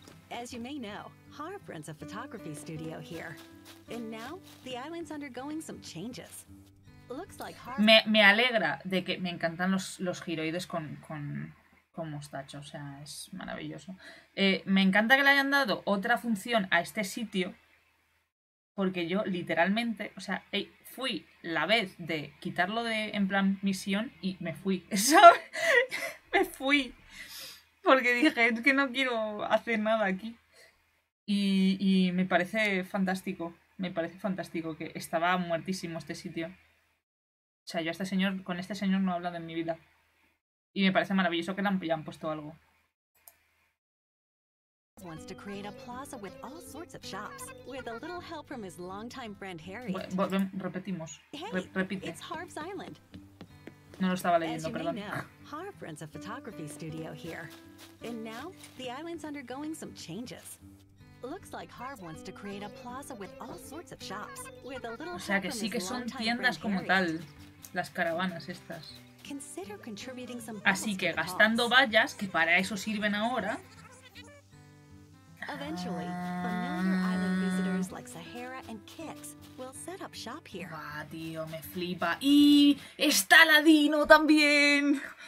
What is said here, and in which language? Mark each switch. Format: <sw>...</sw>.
<en>As you may know, Harv runs a photography studio here. And now the island's undergoing some changes. Looks like Harv.</en> <es>Me alegra de que me encantan los giroides con mostacho. O sea, es maravilloso. Me encanta que le hayan dado otra función a este sitio. Porque yo literalmente, o sea, fui la vez de quitarlo de en plan misión y me fui. Me fui. Porque dije, es que no quiero hacer nada aquí. Y me parece fantástico. Me parece fantástico que estaba muertísimo este sitio. O sea, yo a este señor, con este señor no he hablado en mi vida. Y me parece maravilloso que le han puesto algo.</es> <en>Wants to create a plaza with all sorts of shops. With a little help from his longtime friend Harry.</en> <es>Repetimos. Repite.</es> <en>Hey, it's Harv's Island.</en> <es>No lo estaba leyendo, perdón.</es> <en>As you may know, Harv runs a photography studio here. And now, the island's undergoing some changes. Looks like Harv wants to create a plaza with all sorts of shops. With a little help from his longtime friend Harry.</en> <es>O sea, que sí que son tiendas como tal, las caravanas estas.</es> <en>Consider contributing some.</en> <es>Así que gastando vallas, que para eso sirven ahora.</es> <en>Eventually, familiar island visitors like Sahara and Kix will set up shop here.</en> <es>Ah, tío, me flipa. Y está Ladino también.</es>